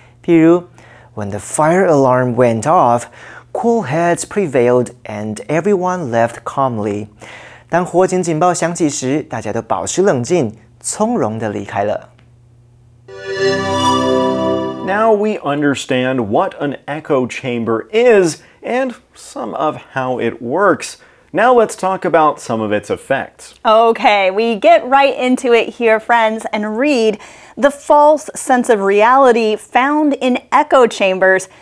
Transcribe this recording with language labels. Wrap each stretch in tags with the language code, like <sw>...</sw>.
<en>譬如 When the fire alarm went off,Cool heads prevailed and everyone left calmly.</en> <zh>当火警警报响起时，大家都保持冷静，从容地离开了。</zh> <en>Now we understand what an echo chamber is and some of how it works. Now let's talk about some of its effects. Okay, we get right into it here, friends, and read the false sense of reality found in echo chambers.</en>